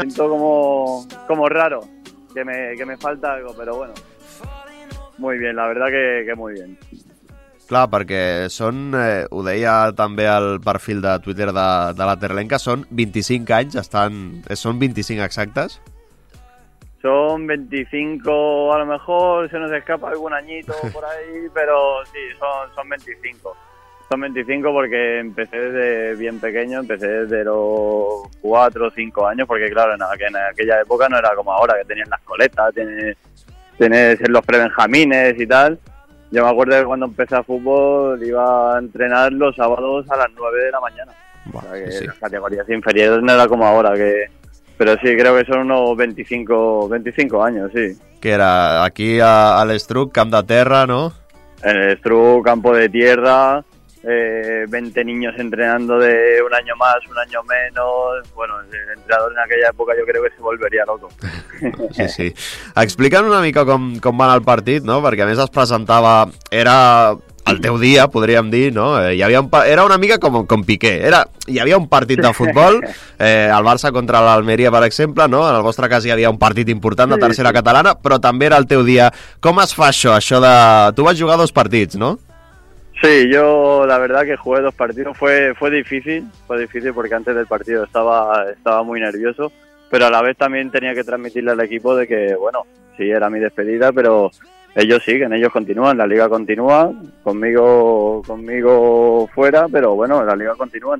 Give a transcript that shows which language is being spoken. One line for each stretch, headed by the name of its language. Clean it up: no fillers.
Spanish: Me siento como raro, que me falta algo, pero bueno. Muy bien, la verdad que muy bien.
Catalan: Clar, perquè són, ho deia també el perfil de Twitter de la Terlenca, són 25 anys, són 25 exactes?
Spanish: Son 25, a lo mejor se nos escapa algún añito por ahí, pero sí, son 25. Son 25 porque empecé desde bien pequeño, empecé desde los 4 o 5 años, porque claro, en aquella época no era como ahora, que tenías las coletas, tenés los prebenjamines y tal. Yo me acuerdo que cuando empecé a fútbol iba a entrenar los sábados a las 9 de la mañana. Bueno, o sea que sí. Las categorías inferiores no era como ahora, que... Pero sí, creo que son unos 25 años, sí. ¿Qué era?
Catalan: ¿Aquí al Estruc, Camp de Terra, no?
Spanish: En el Estruc, campo de tierra, 20 niños entrenando de un año más, un año menos... Bueno, el entrenador en aquella época yo creo que se volvería loco.
Catalan: Sí, sí. Explica'm una mica com va anar el partit, no? Perquè a més es presentava... Era el teu dia, podríem dir, no? Hi havia era una mica com Piqué. Hi havia un partit de futbol, el Barça contra l'Almeria, per exemple, no? En el vostre cas hi havia un partit important de tercera catalana, però també era el teu dia. Com es fa això de... Tu vas jugar dos partits, no?
Spanish: Sí, yo la verdad que jugué dos partidos. Fue difícil porque antes del partido estaba muy nervioso, pero a la vez también tenía que transmitirle al equipo de que, bueno, sí, era mi despedida, pero ellos siguen, ellos continúan, la liga continúa, conmigo fuera, pero bueno, la liga continúa.